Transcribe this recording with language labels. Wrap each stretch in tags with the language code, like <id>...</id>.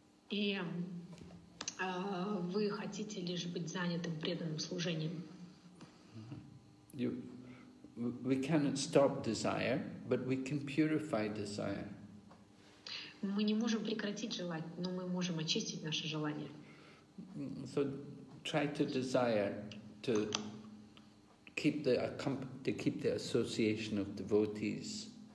<ru>И вы хотите лишь быть занятым преданным служением.</ru> <en>We cannot stop desire, but we can purify desire.</en> <ru>Мы не можем прекратить желать, но мы можем очистить наше желание.</ru> <en>So try to desire to keep the association of devotees.</en>